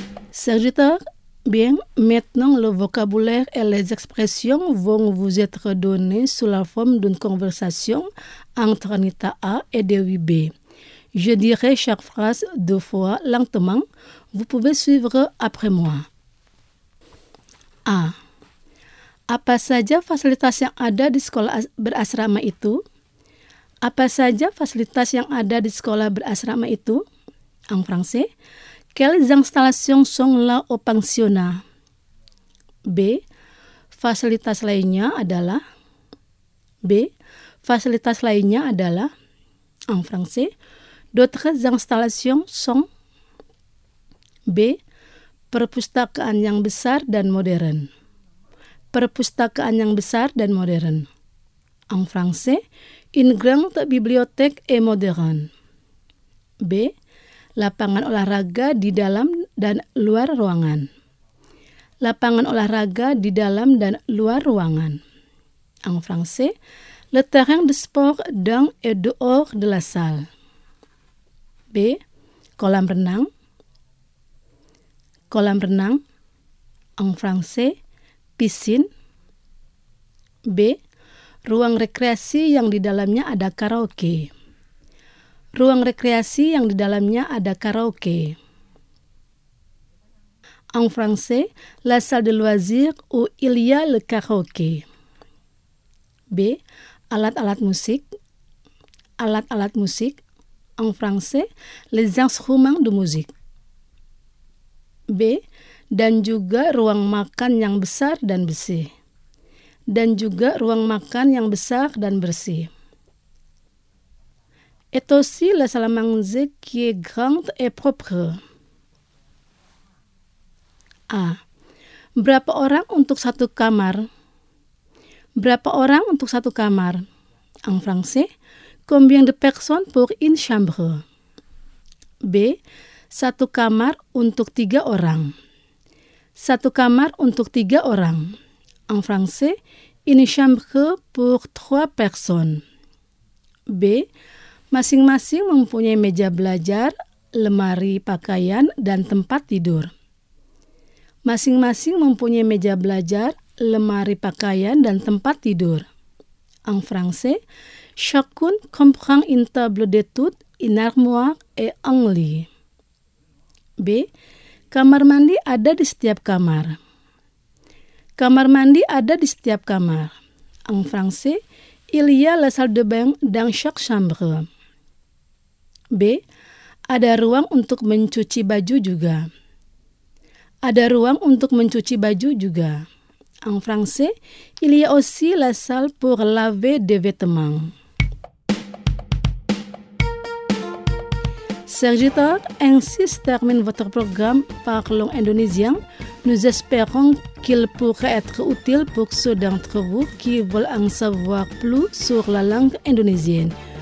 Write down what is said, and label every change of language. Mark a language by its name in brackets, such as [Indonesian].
[French] Serviteurs, bien, maintenant le vocabulaire et les expressions vont vous être donnés sous la forme d'une conversation entre Anita A et Dewi B. Je dirai chaque phrase deux fois lentement. Vous pouvez suivre après moi. A. [Indonesian] Apa saja fasilitas yang ada di sekolah berasrama itu? Apa saja fasilitas yang ada di sekolah berasrama itu? [French] En français. Quelles installations sont là au pensionnat? B. [Indonesian] Fasilitas lainnya adalah. B. Fasilitas lainnya adalah. [French] En français. D'autres installations sont. B. [Indonesian] Perpustakaan yang besar dan modern. Perpustakaan yang besar dan modern. [French] En français. Une grande bibliothèque et moderne. B. [Indonesian] Lapangan olahraga di dalam dan luar ruangan. Lapangan olahraga di dalam dan luar ruangan. [French] En français, le terrain de sport dans et dehors de la salle. [Indonesian] B. Kolam renang. Kolam renang. [French] En français, piscine. B. [Indonesian] Ruang rekreasi yang di dalamnya ada karaoke. Ruang rekreasi yang di dalamnya ada karaoke. [French] En français, la salle de loisir où il y a le karaoke. B. [Indonesian] Alat-alat musik. Alat-alat musik. [French] En français, les instruments de musique. B. [Indonesian] Dan juga ruang makan yang besar dan bersih. Dan juga ruang makan yang besar dan bersih. [French] est aussi la salle à manger qui est grande et propre. A. [Indonesian] Berapa orang untuk satu kamar? Berapa orang untuk satu kamar? [French] En français, combien de personnes pour une chambre? B. [Indonesian] Satu kamar untuk tiga orang. Satu kamar untuk tiga orang. [French] En français, une chambre pour trois personnes. [Indonesian] B. Masing-masing mempunyai meja belajar, lemari pakaian, dan tempat tidur. Masing-masing mempunyai meja belajar, lemari pakaian, dan tempat tidur. [French] En français, chacun comprend une table d'étude, une armoire et un lit. B. [Indonesian] Kamar mandi ada di setiap kamar. Kamar mandi ada di setiap kamar. [French] En français, il y a la salle de bain dans chaque chambre. B. [Indonesian] Ada ruang untuk mencuci baju juga. Ada ruang untuk mencuci baju juga. [French] En français, il y a aussi la salle pour laver des vêtements. Chers auditeurs, ainsi se termine votre programme Parlons indonésien. Nous espérons qu'il pourra être utile pour ceux d'entre vous qui veulent en savoir plus sur la langue indonésienne.